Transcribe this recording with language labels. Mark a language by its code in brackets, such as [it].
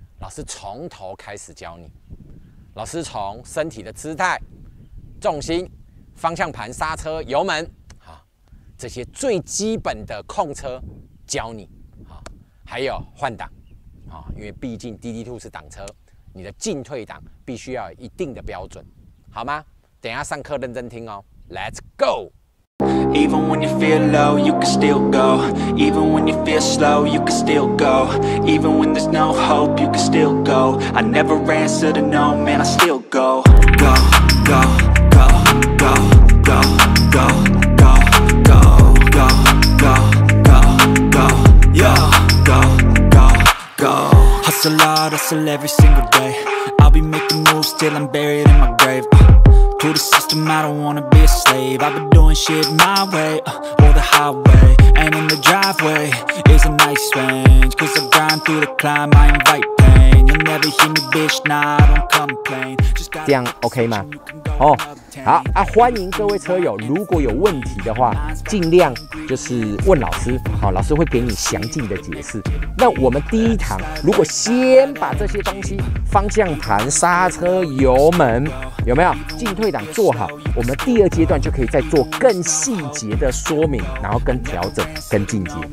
[zh] 老师从头开始教你。老师从身体的姿态、重心、方向盘、刹车、油门，好，这些最基本的控车教你。好，还有换挡。因为毕竟滴滴兔是挡车，你的进退档必须要有一定的标准，好吗？等一下上课认真听哦。 [en] Let's go。 Even when you feel low, you can still go. Even when you feel slow, you can still go. Even when there's no hope, you can still go. I never answer to no, man, I still go. Go, go, go, go, go, go, go, go, go, go, go, go, go, go, go, go. Hustle hard, hustle every single day. I'll be making moves till I'm buried in my grave. To the system, I don't wanna be a slave. I've been doing shit my way, or the highway. And in the driveway is a nice range. Cause I grind through the climb, I invite pain. You'll never hear me, bitch, nah, I don't complain. [zh] 这样 OK 吗？哦，好啊，欢迎各位车友，如果有问题的话，尽量就是问老师，好，老师会给你详尽的解释。那我们第一堂，如果先把这些东西，方向盘、刹车、油门，有没有进退档做好，我们第二阶段就可以再做更细节的说明，然后跟调整、跟进阶。